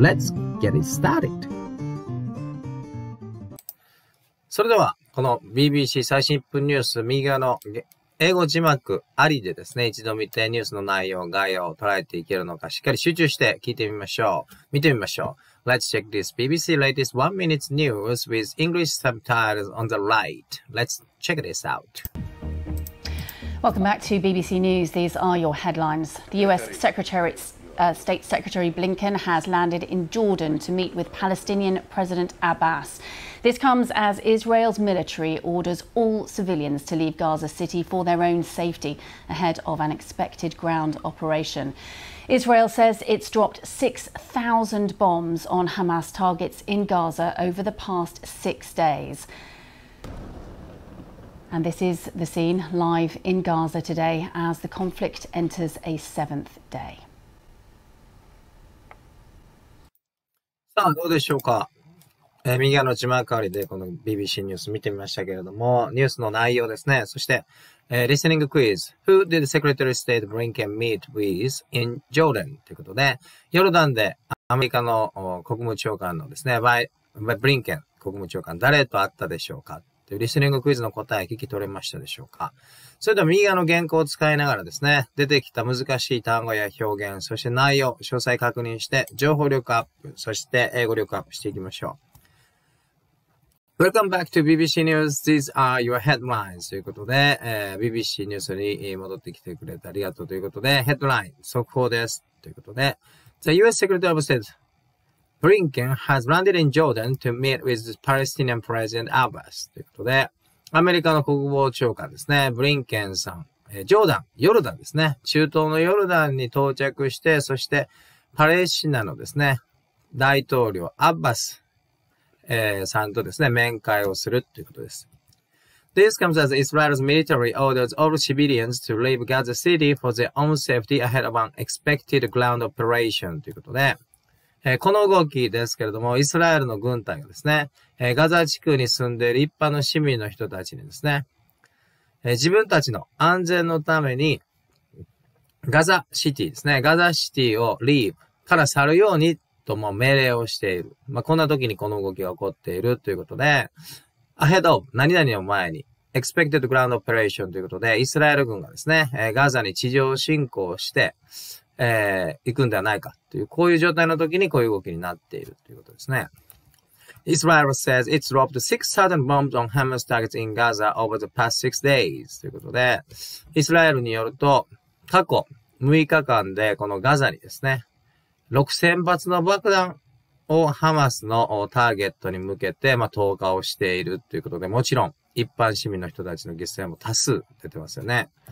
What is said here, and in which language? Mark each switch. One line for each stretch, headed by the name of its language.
English: Let's get it started!
Japanese: それではこの BBC 最新1分ニュース、右側の英語字幕ありでですね、一度見てニュースの内容、概要を捉えていけるのか、しっかり集中して聞いてみましょう。見てみましょう。
English: Let's check this BBC latest 1 minute news with English subtitles on the right. Let's check this out. Welcome back to BBC News. These are your headlines. The US State Secretary Blinken has landed in Jordan to meet with Palestinian President Abbas. This comes as Israel's military orders all civilians to leave Gaza City for their own safety ahead of an expected ground operation. Israel says it's dropped 6,000 bombs on Hamas targets in Gaza over the past 6 days. And this is the scene live in Gaza today as the conflict enters a 7th day.
Japanese: さあ、どうでしょうか。右側の字幕ありでこの BBC ニュース見てみましたけれども、ニュースの内容ですね。そして、リスニングクイズ。
English: Who did Secretary of State Blinken meet with in Jordan?
Japanese: ということで、ヨルダンでアメリカの国務長官のですね、ブリンケン国務長官、誰と会ったでしょうか。というリスニングクイズの答え聞き取れましたでしょうか。それでは右側の原稿を使いながらですね、出てきた難しい単語や表現、そして内容、詳細確認して情報力アップ、そして英語力アップしていきましょう。
English: Welcome back to BBC News. These are your headlines.
Japanese: ということで、BBC ニュースに戻ってきてくれてありがとうということで、ヘッドライン、速報です。ということで、
English: The US Secretary of State Blinken has landed in Jordan to meet with Palestinian President Abbas.
Japanese: ということで、アメリカの国防長官ですね、ブリンケンさん、ジョーダン、ヨルダンですね、中東のヨルダンに到着して、そしてパレスチナのですね、大統領アッバス、さんとですね、面会をするということです。
English: This comes as Israel's military orders all civilians to leave Gaza City for their own safety ahead of an expected ground operation
Japanese: ということで、この動きですけれども、イスラエルの軍隊がですね、ガザ地区に住んでいる一般の市民の人たちにですね、自分たちの安全のために、ガザシティですね、ガザシティをリーブから去るようにとも命令をしている。まあ、こんな時にこの動きが起こっているということで、
English: ahead of
Japanese: 何々を前に、
English: expected ground operation
Japanese: ということで、イスラエル軍がですね、ガザに地上侵攻して、行くんではないかという、こういう状態の時にこういう動きになっているということですね。
English: Israel says it's dropped 6,000 bombs on Hamas targets in Gaza over the past 6 days.
Japanese: ということで、イスラエルによると、過去6日間でこのガザにですね、6000発の爆弾をハマスのターゲットに向けて、まあ、投下をしているということで、もちろん一般市民の人たちの犠牲も多数出てますよね。